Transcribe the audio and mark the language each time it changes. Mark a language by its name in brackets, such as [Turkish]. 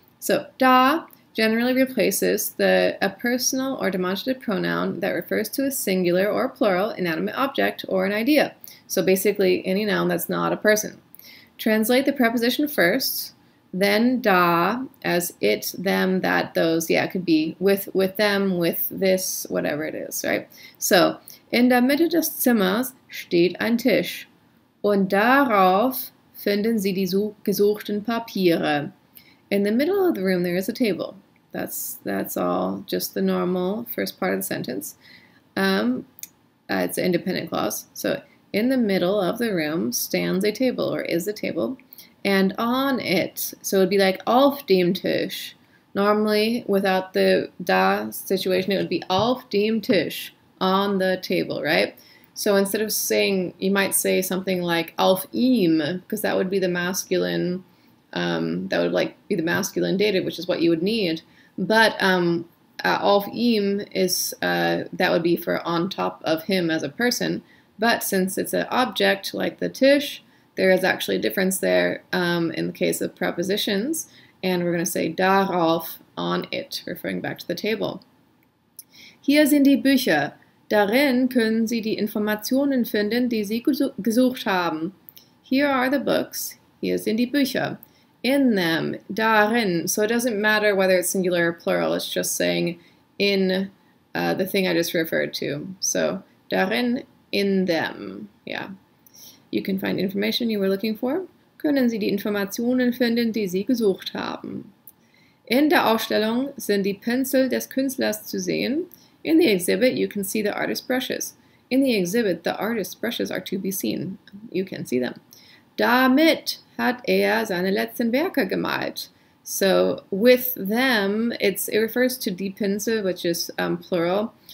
[English] So da generally replaces a personal or demonstrative pronoun that refers to a singular or plural inanimate object or an idea. So basically any noun that's not a person. Translate the preposition first, then da, as it, them, that, those, yeah, it could be with them, with this, whatever it is, right? [German] So, in der Mitte des Zimmers steht ein Tisch, und darauf finden Sie die gesuchten Papiere. [English] In the middle of the room there is a table. That's all just the normal first part of the sentence. It's an independent clause. So, in the middle of the room stands a table, or is a table, and on it, so it would be like [German] auf dem Tisch. [English] Normally, without the da situation, it would be [German] auf dem Tisch, [English] on the table, right? So instead of saying, you might say something like [German] auf ihm, [English] because that would be the masculine, that would like be the masculine dative, which is what you would need. But [German] auf ihm [English] is, that would be for on top of him as a person. But since it's an object like the Tisch, there is actually a difference there in the case of prepositions, and we're going to say darauf, on it, referring back to the table. [German] Hier sind die Bücher. Darin können Sie die Informationen finden, die Sie gesucht haben. [English] Here are the books. [German] Hier sind die Bücher. [English] In them, darin. So it doesn't matter whether it's singular or plural, it's just saying in the thing I just referred to. So darin, in them. Yeah. You can find information you were looking for. [German] Können Sie die Informationen finden, die Sie gesucht haben? In der Ausstellung sind die Pinsel des Künstlers zu sehen. [English] In the exhibit, you can see the artist's brushes. In the exhibit, the artist's brushes are to be seen. You can see them. [German] Damit hat seine letzten Werke gemalt. [English] So, with them, it refers to [German] die Pinsel, [English] which is plural.